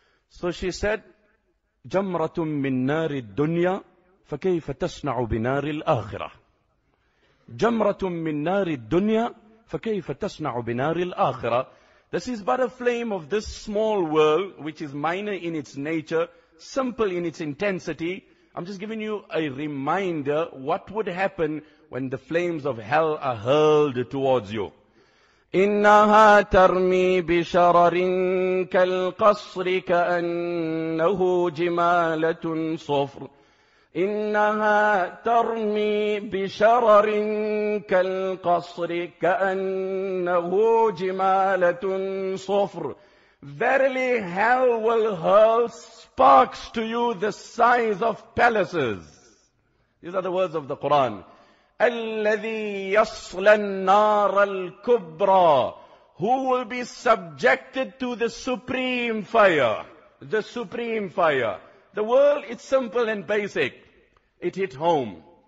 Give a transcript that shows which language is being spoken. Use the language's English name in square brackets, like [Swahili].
[English] So she said, [Arabic] جَمْرَةٌ مِّن نَارِ الدُّنْيَا فَكَيْفَ تَصْنَعُ بِنَارِ الْآخِرَةِ [English] جَمْرَةٌ مِّن نَارِ الدُّنْيَا فَكَيْفَ تَصْنَعُ بِنَارِ الْآخِرَةِ This is but a flame of this small world, which is minor in its nature, simple in its intensity. I'm just giving you a reminder what would happen when the flames of hell are hurled towards you. [Arabic] إِنَّهَا تَرْمِي بِشَرَرٍ كَالْقَصْرِ كَأَنَّهُ جِمَالَةٌ صُفْرٌ إِنَّهَا تَرْمِي بِشَرَرٍ كَالْقَصْرِ كَأَنَّهُ جِمَالَةٌ صُفْرٌ [English] Verily hell will hurl sparks to you the size of palaces. These are the words of the Quran. [Arabic] الَّذِي يَصْلَ النَّارَ الْكُبْرَى [English] Who will be subjected to the supreme fire. The supreme fire. The world is simple and basic. It hit home.